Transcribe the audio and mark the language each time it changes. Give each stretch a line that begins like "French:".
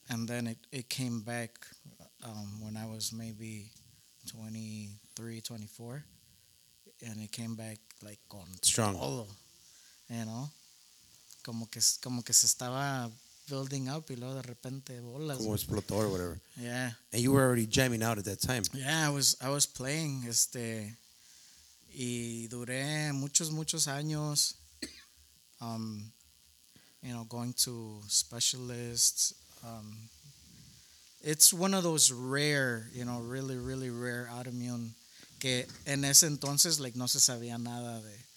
English: And then it came back when I was maybe 23, 24, and it came back like
Spanish: con
English: strong. Oh, you know,
Spanish: como que se estaba
English: building up
Spanish: y luego de repente bolas. Como explotó
English: or whatever. Yeah. And you were already jamming out at that time. Yeah, I was playing
Spanish: y duré muchos años.
English: You know, going to specialists. It's one of those rare, you know, really, really rare autoimmune.
Spanish: Que en ese entonces, like, no se sabía nada de.